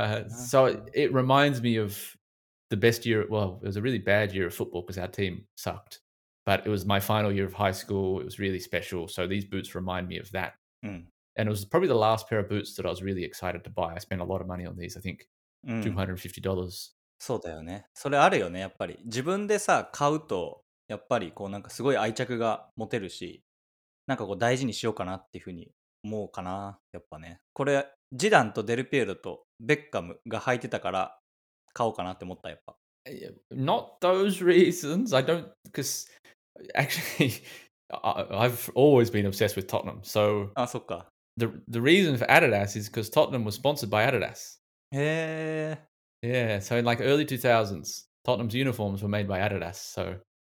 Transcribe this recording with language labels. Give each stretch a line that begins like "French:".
English: So it reminds me of the best year. Well, it was a really bad year of football because our team sucked. But it was my final year of high school. It was really special. So these boots remind me of that. And it was probably the last pair of boots that I was really excited to buy. I spent a lot of money on these. I think $250.
Japanese: そうだよね。それあるよね。やっぱり自分でさ買うとやっぱりこうなんかすごい愛着が持てるし、なんかこう大事にしようかなっていうふうに思うかな。やっぱね。これジダンとデルピエロとベッカムが履いてたから買おうかなって思った、やっぱ。
English: Not those reasons. I don't, because actually, I've always been obsessed with Tottenham. So,
Japanese: あ、そっか。
English: The reason for Adidas is because Tottenham was sponsored by Adidas.
Japanese: へぇ。
English: Yeah, so in like early 2000s, Tottenham's uniforms were made by Adidas. So,